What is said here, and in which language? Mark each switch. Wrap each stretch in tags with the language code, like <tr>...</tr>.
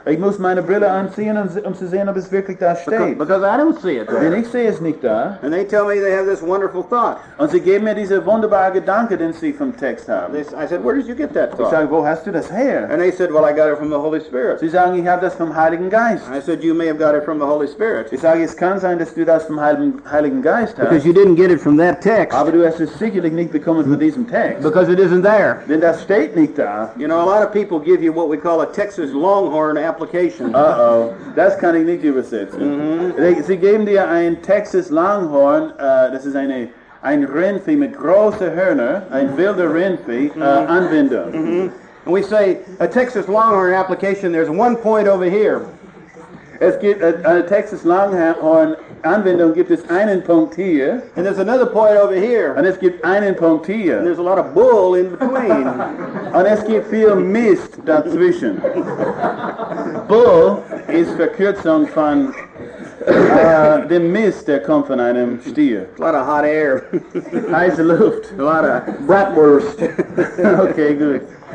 <de>Ich muss meine Brille anziehen, um zu sehen, ob es wirklich da steht.</de> <en>Because I don't see it there.</en> <de>Und ich sehe es nicht da.</de> <en>And they tell me they have this wonderful thought.</en> <de>Und sie geben mir diese wunderbare Gedanke, den sie vom Text haben.</de> <en>I said, where did you get that thought?</en> <de>Ich sage, wo hast du das her?</de> <en>And they said, well, I got it from the Holy Spirit.</en> <de>Sie sagen, ich habe das vom Heiligen Geist.</de> <en>I said, you may have got it from the Holy Spirit.</en> <de>Ich sage, es kann sein, dass du das vom Heiligen Geist hast.</de> <en>Because you didn't get it from that text.</en> <de>Aber du hast es sicherlich nicht bekommen von diesem Text.</de> <en>Because it isn't there.</en> <de>Denn das steht.</de> <en>You know, a lot of people give you what we call a Texas Longhorn application.</en> <de>Uh-oh. Das kann ich nicht übersetzen. Sie geben dir ein Texas Longhorn, das ist ein Rindvieh mit großer Hörner, ein wilder Rindvieh, Anwendung.</de> <en>Mm-hmm. And we say, a Texas Longhorn application, there's one point over here.</en> <de>Es gibt eine Texas Longhorn Anwendung, gibt es einen Punkt hier.</de> <en>And there's another point over here.</en> <de>Und es gibt einen Punkt hier.</de> <en>And there's a lot of bull in between.</en> <de>Und es gibt viel Mist dazwischen. Bull ist Verkürzung von dem Mist, der kommt von einem Stier.</de> <en>A lot of hot air.</en> <de>Heiße Luft.</de> <en>A lot of bratwurst. Okay, good.</en>